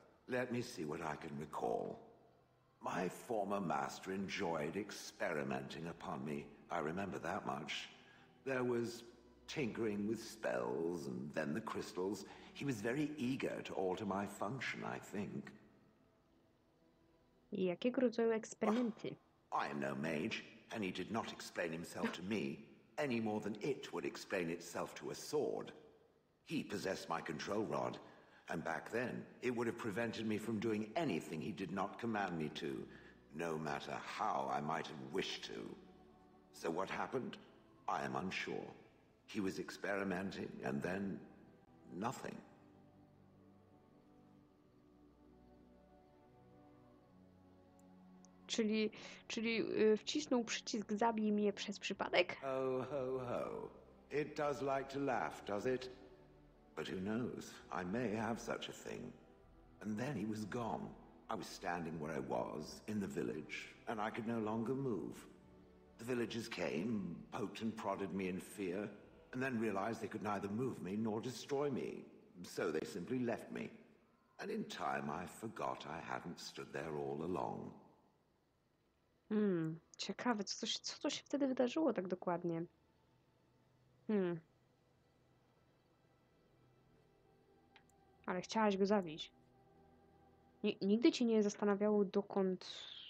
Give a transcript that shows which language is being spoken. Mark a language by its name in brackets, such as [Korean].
[English] Let me see what I can recall. My former master enjoyed experimenting upon me. I remember that much. There was tinkering with spells and then the crystals. He was very eager to alter my function, I think. [Polish] Jakiego rodzaju eksperymenty? [English] I am no mage, and he did not explain himself to me any more than it would explain itself to a sword. He possessed my control rod, and back then it would have prevented me from doing anything he did not command me to, no matter how I might have wished to. So what happened? I am unsure. He was experimenting, and then nothing. [Polish] Czyli wcisnął przycisk zabij mnie przez przypadek? Ho, ho, ho. [English] It does like to laugh, does it? But who knows? I may have such a thing. And then he was gone. I was standing where I was, in the village, and I could no longer move. The villagers came, poked and prodded me in fear, and then realized they could neither move me nor destroy me. So they simply left me. And in time I forgot I hadn't stood there all along. [Polish] Ciekawe, co to się wtedy wydarzyło tak dokładnie? Ale chciałaś go zabić. Nigdy cię nie zastanawiało, dokąd...